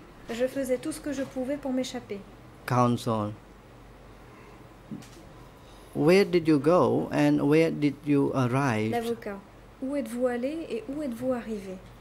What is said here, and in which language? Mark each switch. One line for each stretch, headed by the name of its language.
French: Je faisais tout ce que je pouvais pour m'échapper.
English: Counsel, where did you go and where did you arrive?
French: L'avocat, où êtes-vous allé et où êtes-vous arrivé?